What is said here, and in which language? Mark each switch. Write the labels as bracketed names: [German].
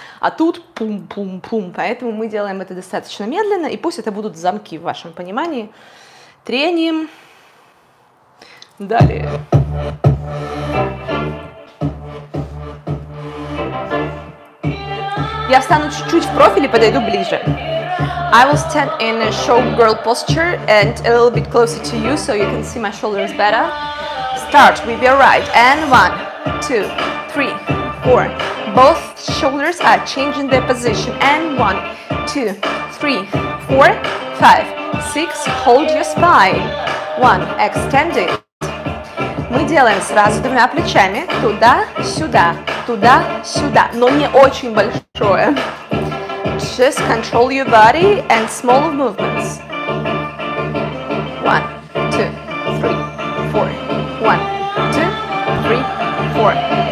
[Russian] А тут пум-пум-пум, поэтому мы делаем это достаточно медленно, и пусть это будут замки в вашем понимании. Треним. Далее. Я встану чуть-чуть в профиль и подойду ближе. [English] I will stand in a showgirl posture and a little bit closer to you so you can see my shoulders better. Start with your right and 1, 2, 3, 4. Both shoulders are changing their position and 1, 2, 3, 4, 5, 6. Hold your spine. 1, extend it. [Russian] мы делаем сразу двумя плечами туда-сюда, туда-сюда, но не очень большое. [English] Just control your body and small movements. One, two, three, four. One, two, three, four.